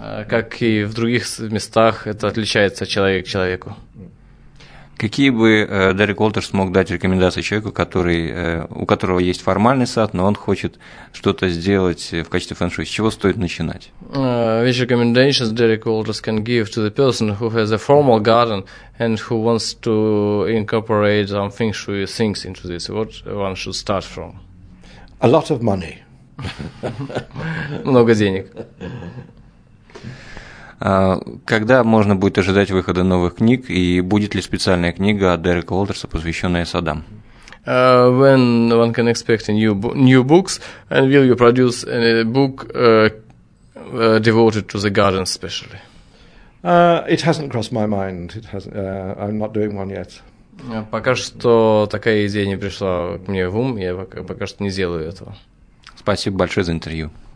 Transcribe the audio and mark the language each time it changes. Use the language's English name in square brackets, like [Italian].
[Russian] Как и в других местах, это отличается от человека к человеку. Какие бы Дерек Уолтерс мог дать рекомендации человеку, у которого есть формальный сад, но он хочет что-то сделать в качестве фэншуй? С чего стоит начинать? [English] Which recommendations Derek Walters can give to the person who has a formal garden and who wants to incorporate some fengshui things into this? What one should start from? A lot of money. [Russian] Много денег. Когда можно будет ожидать выхода новых книг, и будет ли специальная книга от Дерека Уолтерса, посвященная садам? [English] When one can expect new books, and will you produce a book devoted to the gardens specially? It hasn't crossed my mind. It hasn't. I'm not doing one yet. [Russian] Пока что такая идея не пришла мне в ум, я пока что не сделаю этого. Спасибо большое за интервью.